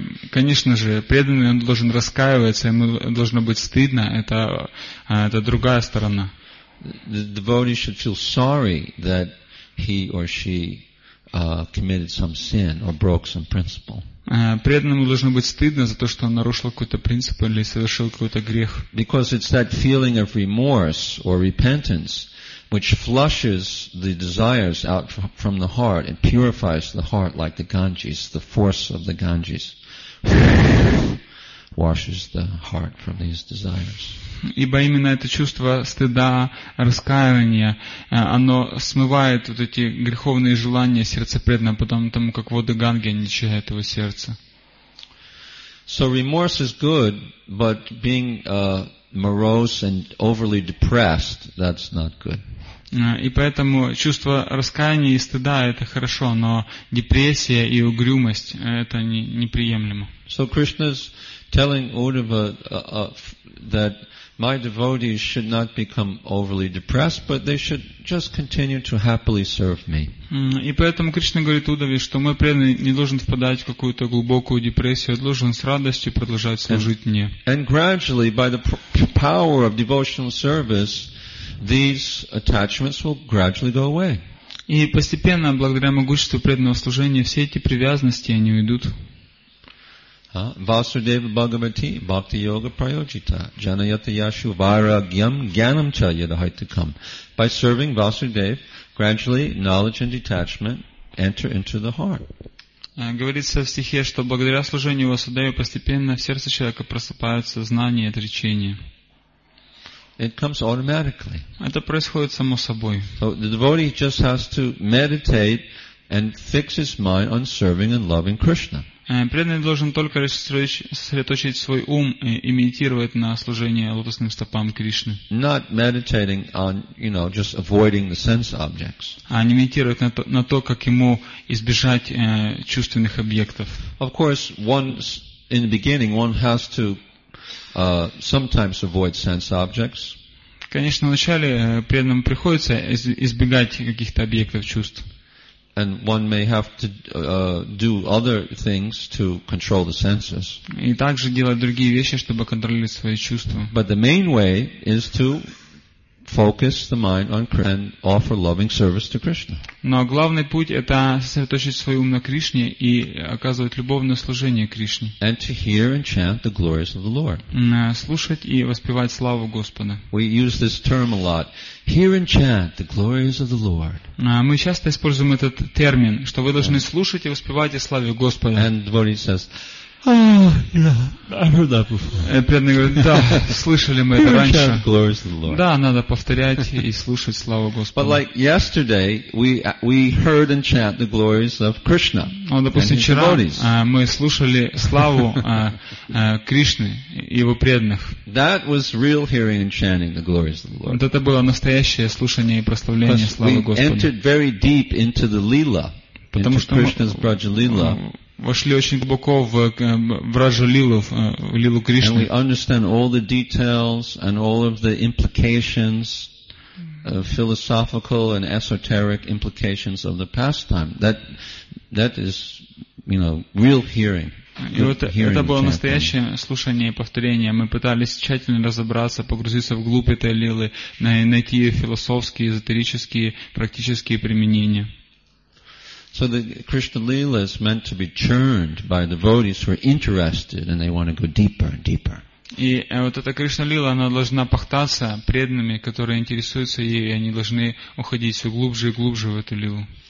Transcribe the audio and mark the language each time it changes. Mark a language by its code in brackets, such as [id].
[ru] Конечно же, преданный он должен раскаиваться, ему должно быть стыдно, это другая сторона. [en] The devotee should feel sorry that he or she committed some sin or broke some principle. [ru] Преданному должно быть стыдно за то, что он нарушил какой-то принцип или совершил какой-то грех. [en] Because it's that feeling of remorse or repentance which flushes the desires out from the heart and purifies the heart like the Ganges, the force of the Ganges washes the heart from these desires. [ru] Ибо именно это чувство стыда, раскаяния, оно смывает вот эти греховные желания сердца преданного, потом тому, как воды Ганги очищают его сердце. [en] So remorse is good, but being morose and overly depressed, that's not good. [ru] И поэтому чувство раскаяния и стыда — это хорошо, но депрессия и угрюмость — это неприемлемо. [en] So Krishna is telling Uddhava that my devotees should not become overly depressed, but they should just continue to happily serve me. [ru] И поэтому Кришна говорит Уддхаве, что мой преданный не должен впадать в какую-то глубокую депрессию, а должен с радостью продолжать служить мне. [en] And gradually, by the power of devotional service, these attachments will gradually go away. [ru] И постепенно, благодаря могуществу преданного служения, все эти привязанности они уйдут. [sa] Vasudeva Bhagavati, Bhakti Yoga Prayojita, Janayata Yashu Vairagyam Gyanam Cha Yadahaitakam. [en] By serving Vasudeva, gradually knowledge and detachment enter into the heart. [ru] Говорится в стихе, что благодаря служению Васудеве постепенно в сердце человека просыпаются знания и отречения. [en] it comes automatically. [ru] Это происходит само собой. [en] So the devotee just has to meditate and fix his mind on serving and loving Krishna. [ru] Преданный должен только сосредоточить свой ум и медитировать на служении лотосным стопам Кришны. [en] Not meditating on, you know, just avoiding the sense objects. [ru] А не медитировать на то, как ему избежать чувственных объектов. [en] Of course, one in the beginning, one has to sometimes avoid sense objects. [ru] Конечно, вначале преданному приходится избегать каких-то объектов чувств. [en] And one may have to do other things to control the senses. [ru] И также делать другие вещи, чтобы контролировать свои чувства. [en] But the main way is to focus the mind on Krishna and offer loving service to Krishna. [ru] Но главный путь — это сосредоточить свой ум на Кришне и оказывать любовное служение Кришне. [en] And to hear and chant the glories of the Lord. [ru] Слушать и воспевать славу Господа. [en] We use this term a lot. Hear and chant the glories of the Lord. [ru] Мы часто используем этот термин, что вы должны слушать и воспевать о славе Господа. [en] And devotee says, oh, yeah, I've heard that before. [ru] Преданный говорит, да, слышали мы это раньше. [en] Hear and chant glories of the Lord. [ru] Да, надо повторять и слушать славу Господа. [en] But like yesterday, we heard and chant the glories of Krishna. [ru] Допустим, вчера мы слушали славу Кришны и его преданных. [en] That was real hearing and chanting the glories of the Lord. [ru] Вот это было настоящее слушание и прославление славы Господа. [en] We entered very deep into the lila, [ru] потому [en] into Krishna's Braja lila. [ru] Вошли очень глубоко в Враджа Лилу, в Лилу Кришны. [en] And we understand all the details and all of the implications, philosophical and esoteric implications of the pastime. That is, you know, real hearing. [ru] И вот это было настоящее слушание и повторение. Мы пытались тщательно разобраться, погрузиться в глубь этой лилы, найти философские, эзотерические, практические применения. [en] So the Krishna Lila is meant to be churned by devotees who are interested and they want to go deeper and deeper. [ru] И вот эта Кришна Лила, она должна пахтаться преданными, которые интересуются ей, и они должны уходить все глубже и глубже в эту лилу.